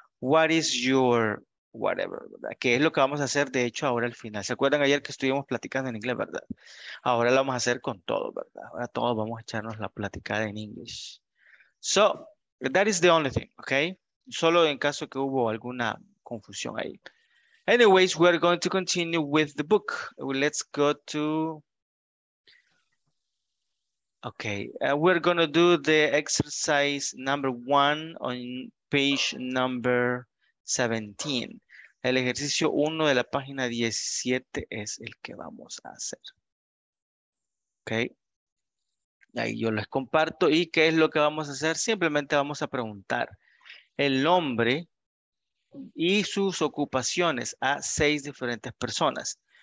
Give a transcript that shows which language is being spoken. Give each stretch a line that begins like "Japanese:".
English: What is your whatever,
Spanish: ¿verdad? Que es lo que vamos a hacer, de hecho, ahora al final. ¿Se acuerdan ayer que estuvimos platicando en inglés, verdad? Ahora lo vamos a hacer con todo, ¿verdad? Ahora todos vamos a echarnos la platicada en inglés.
English: So, that is the only thing, okay?
Spanish: Solo en caso que hubo alguna confusión ahí.
English: Anyways, we are going to continue with the book. Let's go to... Okay, we're going to do the exercise number one on page number 17.
Spanish: El ejercicio 1 de la página 17 es el que vamos a hacer. Okay. Ahí yo les comparto. ¿Y qué es lo que vamos a hacer? Simplemente vamos a preguntar el nombre y sus ocupaciones a 6 diferentes personas.